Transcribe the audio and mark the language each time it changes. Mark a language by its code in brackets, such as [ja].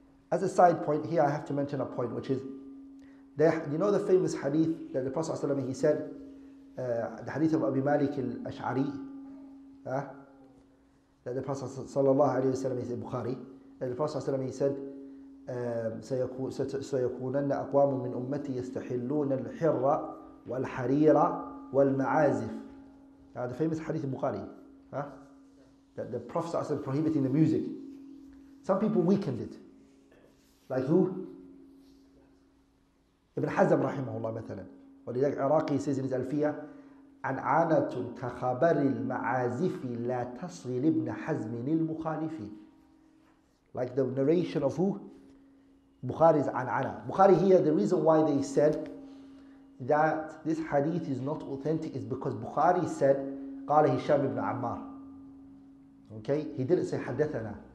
[en] As a side point, here I have to mention a point, which is, you know the famous hadith that the Prophet ﷺ, he said, the hadith of Abi Malik al-Ash'ari, that the Prophet ﷺ, he said, Bukhari, that the Prophet ﷺ, he said, [ar] سَيَكُونَنَّ أَقْوَامٌ مِّنْ أُمَّتِي يَسْتَحِلُّونَ الْحِرَّ وَالْحَرِيرَ وَالْمَعَازِفِ [en] The famous hadith of Bukhari, that the Prophet ﷺ prohibiting the music, Some people weakened it. Like who? Ibn Hazm rahimahullah mathalan. [ar] ولذلك عراقي [en] says in his Alfiyah, [ar] عنعنة كخبر المعازف لا تصل ابن حزم المخالفين. [en] Like the narration of who? Bukhari's عنعنة. Bukhari here, the reason why they said that this hadith is not authentic is because Bukhari said, [ar] قال هشام ابن عمار. [en] Okay? He didn't say حدثنا.